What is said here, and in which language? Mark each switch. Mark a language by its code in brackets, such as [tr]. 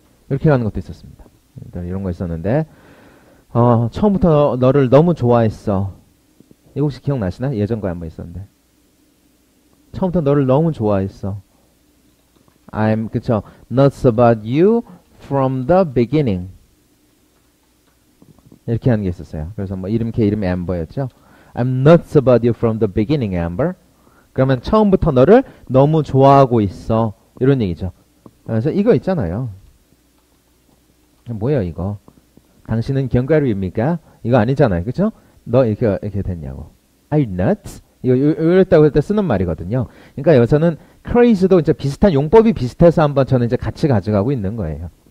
[ko] 이렇게 가는 것도 있었습니다. 이런 거 있었는데 처음부터 너를 너무 좋아했어. 이거 혹시 기억나시나? 예전 거에 한번 있었는데 처음부터 너를 너무 좋아했어. [en] I'm [ko] 그쵸? [en] Nuts about you from the beginning. [ko] 이렇게 하는 게 있었어요. 그래서 뭐 이름 Amber였죠. [en] I'm nuts about you from the beginning, Amber. [ko] 그러면 처음부터 너를 너무 좋아하고 있어. 이런 얘기죠. 그래서 이거 있잖아요. 뭐예요, 이거? 당신은 견과류입니까? 이거 아니잖아요. 그쵸? 너 이렇게 됐냐고. [en] I nuts? [ko] 이거 이랬다고 할 때 쓰는 말이거든요. 그러니까 여기서는 crazy도 이제 비슷한 용법이 비슷해서 한번 저는 이제 같이 가져가고 있는 거예요.